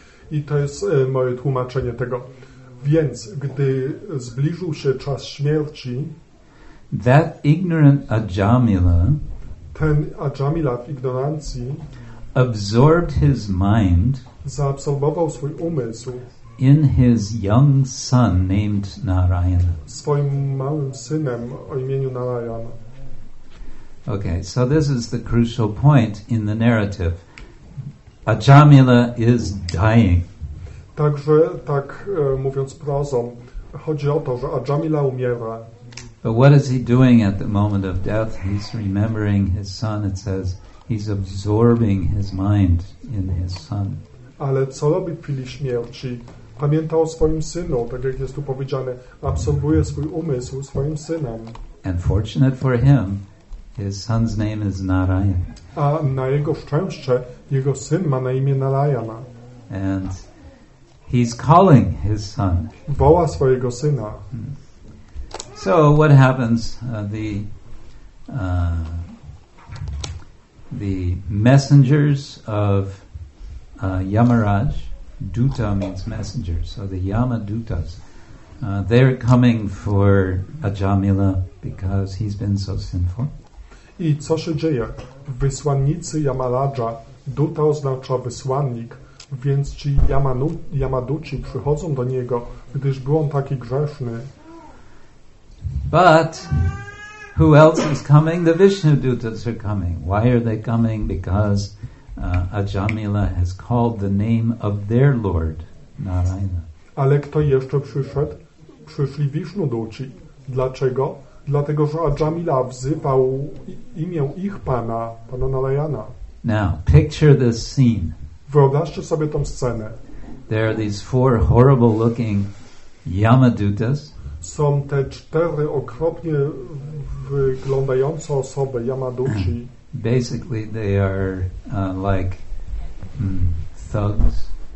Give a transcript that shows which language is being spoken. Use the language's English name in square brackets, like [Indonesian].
[Polish] I to jest moje tłumaczenie tego. Więc gdy zbliżył się czas śmierci, [English] that ignorant Ajamila, [Polish] ten Ajamila w ignorancji, [English] absorbed his mind, [Polish] zaabsorbował swój umysł, [English] in his young son named Narayana, [Polish] swoim małym synem o imieniu Narayana. [English] Okay, so this is the crucial point in the narrative. Ajamila is dying. [Polish] Także, tak mówiąc prozą, chodzi o to, że Ajamila umiera. [English] But what is he doing at the moment of death? He's remembering his son, it says. He's absorbing his mind in his son. [Polish] Ale co robi w chwili śmierci? Pamięta o swoim synu, tak jak jest tu powiedziane, absorbuje swój umysł swoim synem. [English] And fortunate for him, his son's name is Narayana. [Polish] A na jego szczęście, jego syn ma na imię Narayana. [English] And he's calling his son. [Polish] Woła swojego syna. [English] So what happens? The messengers of Yamaraj, Duta means messenger, so the Yama Dutas, they're coming for Ajamila because he's been so sinful. [Polish] I co się dzieje? Wysłannicy Yamaraja, Duta oznacza wysłannik, więc ci Yamaduci przychodzą do niego, gdyż był on taki grzeszny. [English] But who else is coming? The Vishnu Dutas are coming. Why are they coming? Because Ajamila has called the name of their Lord, Narayana. [Polish] Ale kto jeszcze przyszedł? Przyszli Vishnu Duci. Dlaczego? Dlatego, że Ajamila wzywał imię ich pana, pana Narayana. [English] Now, picture this scene. [Polish] Wyobraźcie sobie tą scenę. [English] There are these four horrible looking Yamadutas. [Polish] Są te cztery okropnie wyglądające osoby, Yamaduci. [English] Basically, they are like thugs.